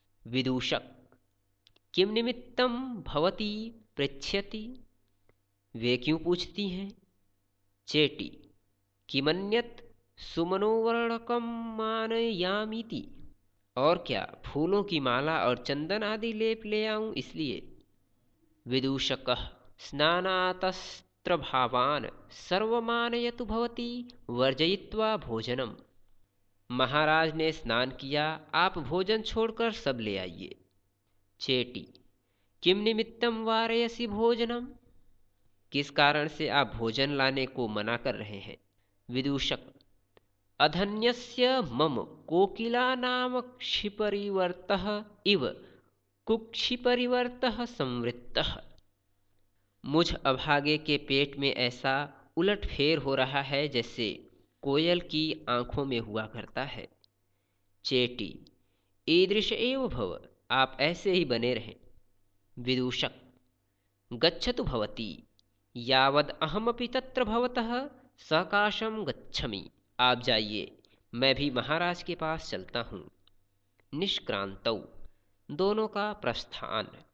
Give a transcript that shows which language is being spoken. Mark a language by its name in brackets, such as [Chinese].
[Sanskrit] विदूषक, किम निमित्तं भवति पृच्छति। [Hindi] वे क्यों पूछती हैं। [Sanskrit] चेटी, किमन्यत् सुमनोवरणकं मानयामीति। [Hindi] और क्या फूलों की माला और चंदन आदि लेप ले आऊं इसलिए। [Sanskrit] विदूषक, स्नानातस्त्रभावान् सर्वमानयतु भवति वर्जयित्वा भोजनम्। [Hindi] महाराज ने स्नान किया, आप भोजन छोड़कर सब ले आइए। [Sanskrit] चेटी, किम निमित्तं वारयसि भोजनम्। [Hindi] किस कारण से आप भोजन लाने को मना कर रहे हैं। [Sanskrit] विदूषक, अधन्यस्य मम कोकिला नाम क्षिपरिवर्तः इव कुक्षिपरिवर्तः संवृत्तः। [Hindi] मुझ अभागे के पेट में ऐसा उलट फेर हो रहा है जैसे कोयल की आंखों में हुआ करता है। [Sanskrit] चेटी, ईदृश एव भव, [Hindi] आप ऐसे ही बने रहें। [Sanskrit] विदूषक, गच्छतु भवती यावद अहमपि तत्र भवतः सकाशं गच्छमि। [Hindi] आप जाइए, मैं भी महाराज के पास चलता हूँ। [Sanskrit] निष्क्रांतौ, [Hindi] दोनों का प्रस्थान।